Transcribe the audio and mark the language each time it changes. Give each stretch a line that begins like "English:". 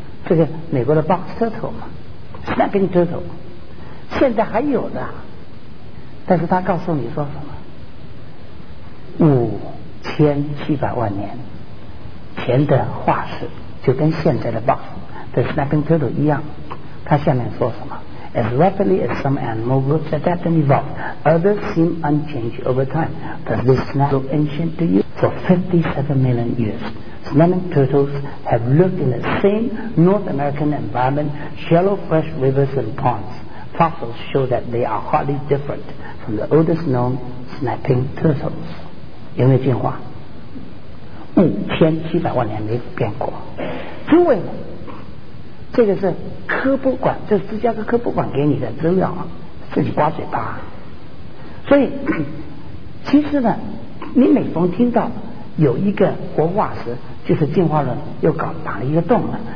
Chinese: 这个美国的 box turtle 嘛， snap turtle， 现在还有的。但是他告诉你说什么？ 5700万年前的化石就跟现在的 box 的 snapping turtle 一样。他下面说什么？
English: As rapidly as some animal groups adapt and evolve, others seem unchanged over time. Does this sound so ancient to you? For 57 million years, snapping turtles have lived in the same North American environment, shallow fresh rivers and ponds. Fossils show that they are hardly different from the oldest known snapping turtles.
Chinese: 有没有进化？5700万年没变过。诸位，这个是科普馆，这是芝加哥科普馆给你的资料，自己刮嘴巴。所以其实呢，你每逢听到有一个活化石，就是进化论又搞打了一个洞了。